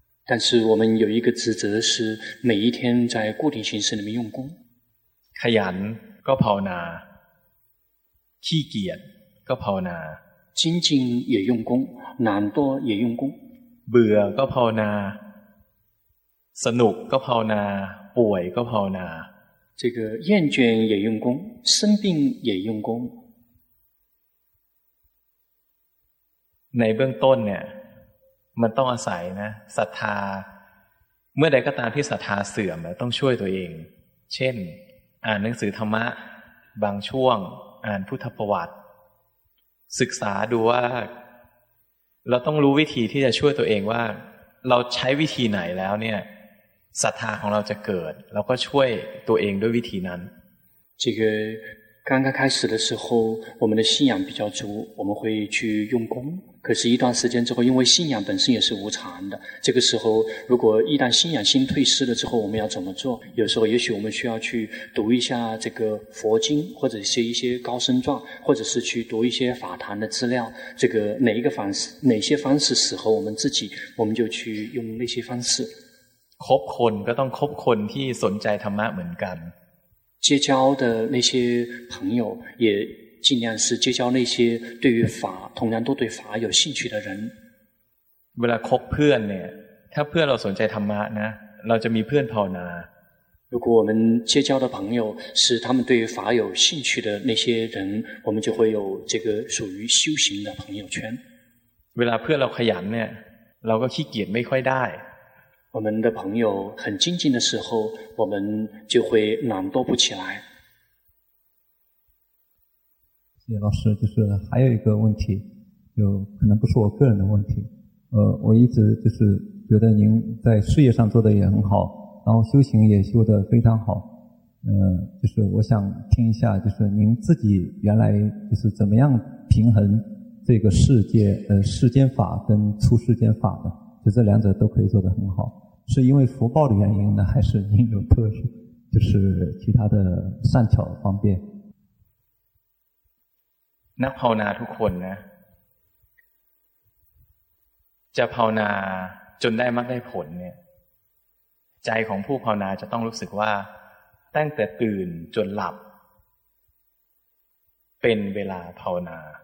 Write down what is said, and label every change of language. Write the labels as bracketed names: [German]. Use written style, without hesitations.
[Chinese] 但是我们有一个职责是每一天在固定形式里面用功 [Thai] ขยันก็ภาวนาขี้เกียจก็ภาวนา [Chinese] 精进也用功懒惰也用功 [Thai] เบื่อก็ภาวนาสนุกก็ภาวนาป่วยก็ภาวนา [Chinese] 这个厌倦也用功生病也用功 [Thai] ในเบื้องต้นเนี่ยมันต้องอาศัยนะศรัทธาเมื่อใดก็ตามที่ศรัทธาเสื่อมต้องช่วยตัวเองเช่นอ่านหนังสือธรรมะบางช่วงอ่านพุทธประวัติศึกษาดูว่าเราต้องรู้วิธีที่จะช่วยตัวเองว่าเราใช้วิธีไหนแล้วเนี่ย ศรัทธาของเราจะเกิดเราก็ช่วยตัวเองด้วยวิธีนั้น [Chinese] 这个刚刚开始的时候我们的信仰比较足我们会去用功可是一段时间之后因为信仰本身也是无常的这个时候如果一旦信仰心退失了之后我们要怎么做有时候也许我们需要去读一下这个佛经或者是一些高僧传或者是去读一些法坛的资料这个哪一个方式哪些方式适合我们自己我们就去用那些方式 [Thai] คบคนก็ต้องคบคนที่สนใจธรรมะเหมือนกัน [Chinese] 结交的那些朋友也尽量是结交那些对于法同样都对法有兴趣的人 [Thai] เวลาคบเพื่อนเนี่ยถ้าเพื่อนเราสนใจธรรมะนะเราจะมีเพื่อนภาวนา [Chinese] 如果我们结交的朋友是他们对于法有兴趣的那些人我们就会有这个属于修行的朋友圈 [Thai] เวลาเพื่อนเราขยันเนี่ยเราก็ขี้เกียจไม่ค่อยได้ [Chinese] 我们的朋友很精进的时候我们就会懒惰不起来谢谢老师就是还有一个问题就可能不是我个人的问题我一直就是觉得您在事业上做得也很好然后修行也修得非常好就是我想听一下就是您自己原来就是怎么样平衡这个世界世间法跟出世间法的就这两者都可以做得很好是因为福报的原因呢还是您有特殊就是其他的善巧方便 [Thai] นักภาวนาทุกคนนะจะภาวนาจนได้มรรคได้ผลเนี่ยใจของผู้ภาวนาจะต้องรู้สึกว่าตั้งแต่ตื่นจนหลับเป็นเวลาภาวนา